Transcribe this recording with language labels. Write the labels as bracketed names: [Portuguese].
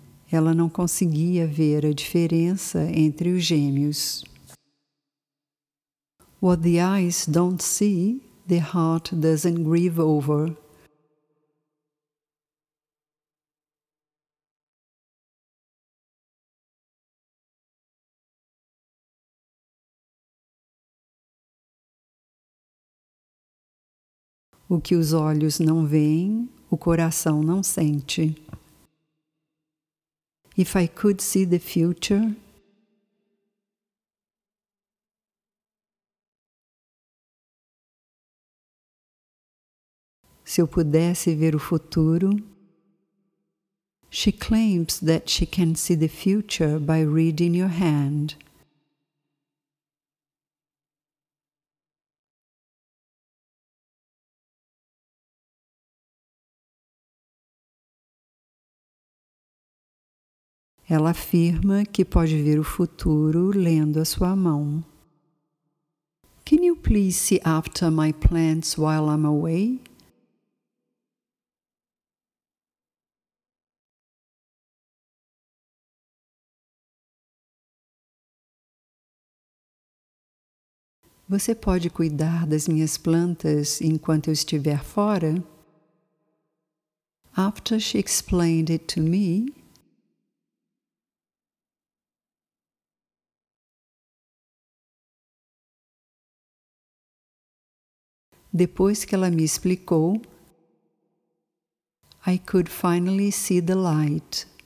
[Portuguese] Ela não conseguia ver a diferença entre os gêmeos. [English] What the eyes don't see, the heart doesn't grieve over. [Portuguese] O que os olhos não veem, o coração não sente. [English] If I could see the future, [Portuguese] se eu pudesse ver o futuro, [English] she claims that she can see the future by reading your hand. [Portuguese] Ela afirma que pode ver o futuro lendo a sua mão. [English] Can you please see after my plants while I'm away? [Portuguese] Você pode cuidar das minhas plantas enquanto eu estiver fora? [English] After she explained it to me, [Portuguese] depois que ela me explicou, [English] I could finally see the light.